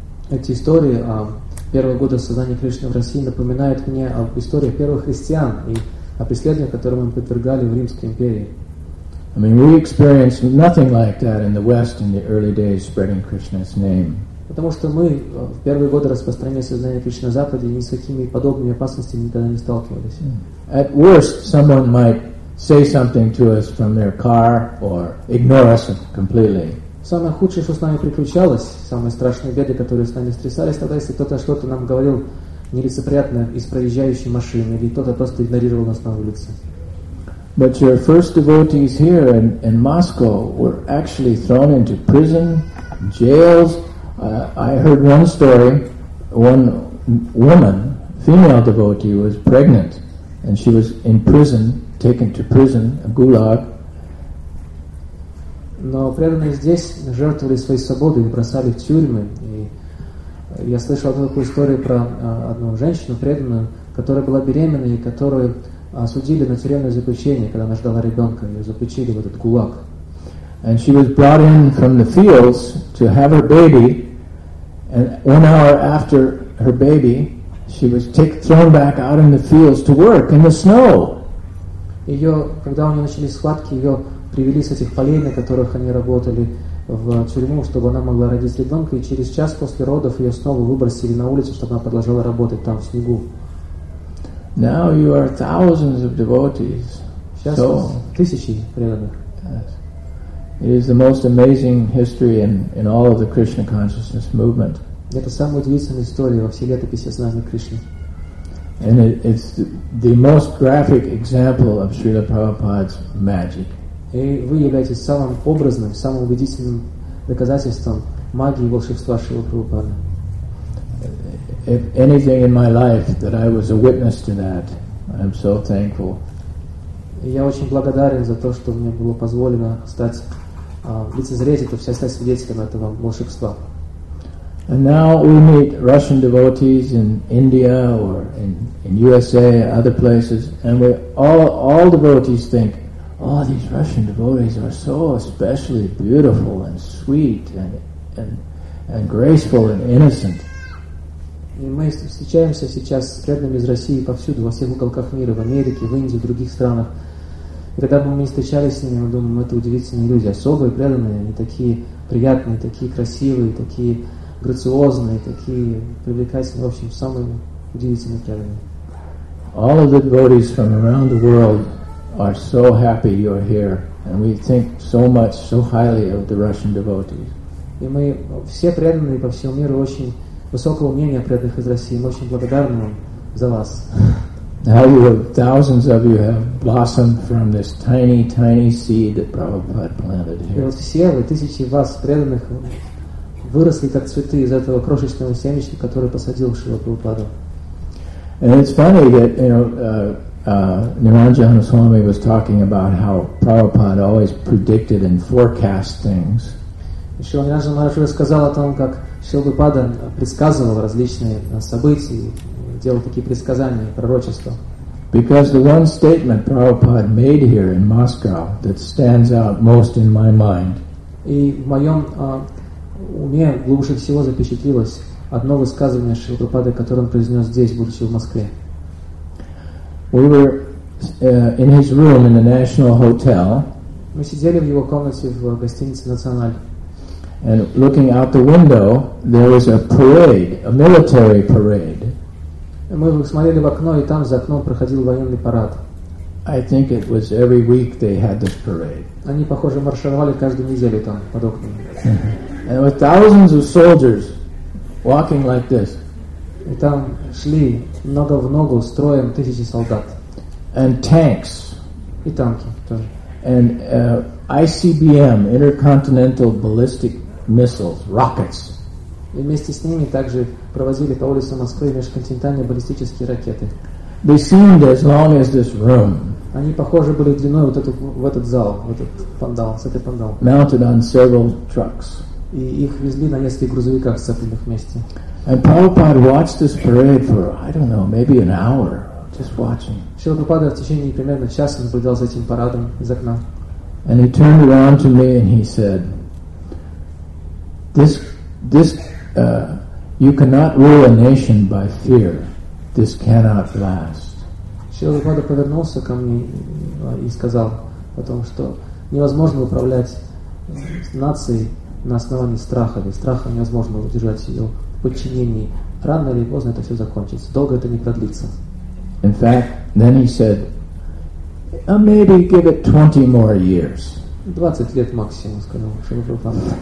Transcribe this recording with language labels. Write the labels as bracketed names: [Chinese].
[Russian] Эти истории о первых годах сознания Кришны в России напоминают мне об историях первых христиан и о преследованиях, которым мы подвергали в Римской империи. [English] I mean, we experienced nothing like that in the West in the early days spreading Krishna's name. [Russian] Потому что мы в первые годы распространения сознания Кришны на Западе ни с какими подобными опасностями никогда не сталкивались. [English] At worst, someone might say something to us from their car or ignore us completely. [Russian] Самое худшее, что с нами приключалось, самые страшные беды, которые с нами стрясались, тогда если кто-то что-то нам говорил нелицеприятное из проезжающей машины, или кто-то просто игнорировал нас на улице. [English] But your first devotees here in Moscow were actually thrown into prison, jails. I heard one story, one woman, female devotee, was pregnant, and she was in prison, taken to prison, a gulag. [Russian] Но преданные здесь жертвовали своей свободой, бросали в тюрьмы. И я слышал такую историю про одну женщину преданную, которая была беременна и которую осудили на тюремное заключение, когда она ждала ребенка. Ее заключили в этот гулаг. [English] And she was brought in from the fields to have her baby. And 1 hour after her baby, she was thrown back out in the fields to work in the snow. [Russian] Ее, когда у нее начались схватки, ее привели с этих полей, на которых они работали, в тюрьму, чтобы она могла родить ребенка, и через час после родов ее снова выбросили на улицу, чтобы она продолжала работать там, в снегу. [English] Now you are thousands of devotees. [Russian] Сейчас so, тысячи преданных. [English] Yes. It is the most amazing history in all of the Krishna consciousness movement. [Russian] Это самая удивительная история во всей летописи сознания Кришны. [English] And it's the most graphic example of Srila Prabhupada's magic. [Russian] И вы являетесь самым образным, самым убедительным доказательством магии и волшебства Шрилы Прабхупады. [English] If anything in my life that I was a witness to that, I'm so thankful. [Russian] Я очень благодарен за то, что мне было позволено стать лицезреть это, вся стать свидетелем этого волшебства. [English] And now we meet Russian devotees in India or in USA, other places, and we all devotees think, oh, these Russian devotees are so especially beautiful and sweet and graceful and innocent. [Russian] И мы встречаемся сейчас с преданными из России повсюду, во всех уголках мира, в Америке, в Индии, в других странах. И когда бы мы встречались с ними, мы думаем, это удивительные люди, особые, преданные, они такие приятные, такие красивые, такие грациозные, такие привлекательные, в общем, самые удивительные преданные. [English] All of the devotees from around the world are so happy you are here, and we think so much, so highly of the Russian devotees. [Russian] И мы все преданные по всему миру очень высокого мнения о преданных из России. Мы очень благодарны вам за вас. [English] How you have, thousands of you have blossomed from this tiny, tiny seed that Prabhupada planted here. [Russian] И вот все вы, тысячи вас преданных, выросли как цветы из этого крошечного семечка, который посадил Шрила Прабхупада. [English] And it's funny that, you know, Niranjana Swami was talking about how Prabhupada always predicted and forecast things. [Russian] Шрила Ниранджана Махараджа сказал о том, как Шрила Прабхупада предсказывал различные события, делал такие предсказания, пророчества. [English] Because the one statement Prabhupada made here in Moscow that stands out most in my mind. [Russian] И в моем уме глубже всего запечатлилось одно высказывание Шрилы Прабхупады, которое он произнес здесь, будучи в Москве. [English] We were in his room in the National Hotel. [Russian] Мы сидели в его комнате в гостинице «Националь». [English] And looking out the window, there was a parade, a military parade. [Russian] Мы смотрели в окно, и там за окном проходил военный парад. [English] I think it was every week they had this parade. [Russian] Они, похоже, маршировали каждую неделю там под окнами. [English] And with thousands of soldiers walking like this. [Russian] И там шли нога в ногу с строем тысячи солдат. [English] And tanks. [Russian] И танки тоже. [English] And ICBM, intercontinental ballistic missiles, rockets. [Russian] И вместе с ними также провозили по улице Москвы межконтинентальные баллистические ракеты. [English] They seemed as long as this room. [Russian] Они похожи были длиной вот эту, в этот зал, в этот пандал, с этой пандал. [English] Mounted on several trucks. [Russian] И их везли на нескольких грузовиках, сцепленных вместе. [English] And Prabhupada watched this parade for, I don't know, maybe an hour, just watching. [Russian] Шрила Прабхупада в течение примерно часа наблюдал за этим парадом из окна. [English] And he turned around to me and he said, you cannot rule a nation by fear. This cannot last. [Russian] Шрила Прабхупада повернулся ко мне и сказал о том, что невозможно управлять нацией на основании страха. Без страха невозможно удержать ее в подчинении. Рано или поздно это все закончится. Долго это не продлится. [English] In fact, then he said, maybe give it 20 more years. [Russian] 20 лет максимум, сказал Шрила Прабхупада.